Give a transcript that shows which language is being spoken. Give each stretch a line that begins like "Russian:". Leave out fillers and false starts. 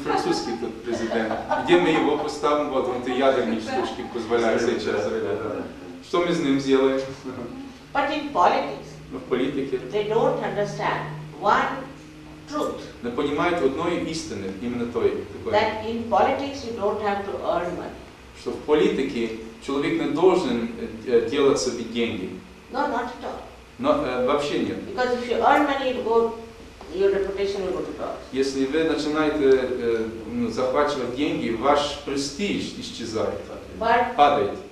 Russian: Французский тут президент. Где мы его поставим? Вот он эти ядерные штучки позволяет сейчас. Что мы с ним сделаем?
English: But in politics.
Russian: Но в политике.
English: They don't understand one truth.
Russian: Не понимают одной истины, именно той.
English: That in politics you don't have to earn money.
Russian: Что в политике человек не должен делать себе деньги.
English: No, not at all.
Russian: No, вообще нет.
English: Because if you earn money, your reputation will go to dogs.
Russian: Если вы начинаете захватывать деньги, ваш престиж исчезает, падает.